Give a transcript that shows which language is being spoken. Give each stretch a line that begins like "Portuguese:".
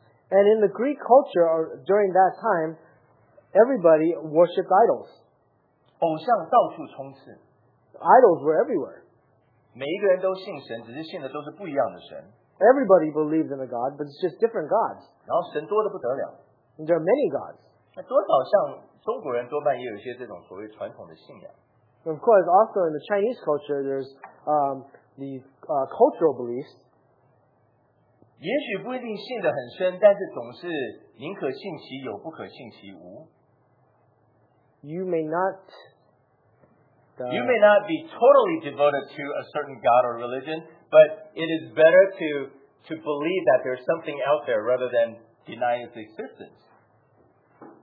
English: And in the Greek culture during that time, everybody worshipped idols.
Chinese: 偶像到处充斥。
English: Idols were everywhere.
Chinese: 每一个人都信神，只是信的都是不一样的神。
English: Everybody believes in a god, but it's just different gods.
Chinese: 然后神多得不得了。
English: And there are many gods.
Chinese: 那多少像中国人多半也有一些这种所谓传统的信仰。
English: Of course, also in the Chinese culture, there's cultural beliefs.
Chinese: 也许不一定信得很深，但是总是宁可信其有，不可信其无。
English: You may not be totally devoted to a certain god or religion, but it is better to believe that there's something out there rather than deny its existence.